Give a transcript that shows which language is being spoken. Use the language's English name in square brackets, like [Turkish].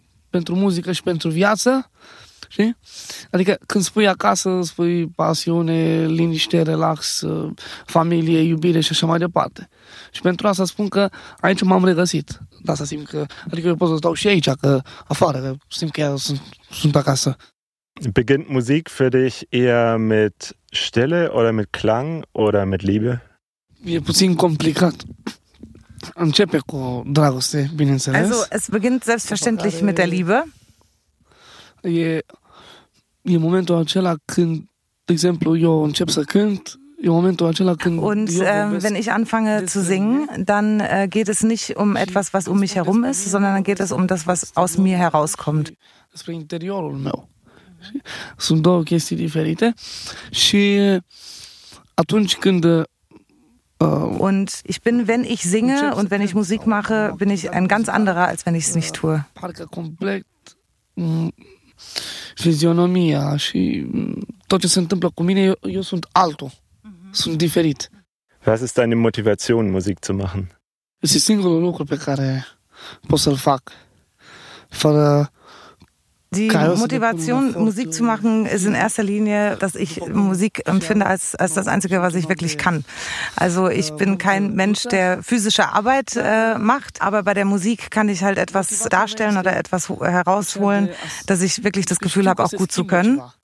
[Romanian] Pentru muzică și pentru viață. Știi? Adică când spui acasă, spui pasiune, liniște, relax, familie, iubire și așa mai departe. Și pentru asta spun că aici m-am regăsit. Da, să simt că, adică eu pot să stau și aici, că afară, simt că sunt acasă. [German] Beginnt Musik für dich eher mit Stille oder mit Klang oder mit Liebe? [Romanian] E puțin complicat. Începe cu dragoste, bineînțeles. [German] Also, es beginnt selbstverständlich mit der Liebe. [Romanian] E momentul acela când, de exemplu, eu încep să cânt. [German] Und wenn ich anfange zu singen, dann geht es nicht um etwas, was um mich herum ist, sondern dann geht es um das, was aus mir herauskommt. [Romanian] Spre interiorul meu. Sunt două chestii diferite. Și atunci când [German] Und ich bin, wenn ich singe und wenn ich Musik mache, bin ich ein ganz anderer, als wenn ich es nicht tue. [Romanian] Parcă complet fizionomia și tot ce se întâmplă cu mine, eu sunt altul, sunt diferit. [German] Was ist deine Motivation, Musik zu machen? [Romanian] Este singurul lucru pe care pot să-l fac, fără... [German] Die Motivation, Musik zu machen, ist in erster Linie, dass ich Musik empfinde als das Einzige, was ich wirklich kann. Also ich bin kein Mensch, der physische Arbeit macht, aber bei der Musik kann ich halt etwas darstellen oder etwas herausholen, dass ich wirklich das Gefühl habe, auch gut zu können.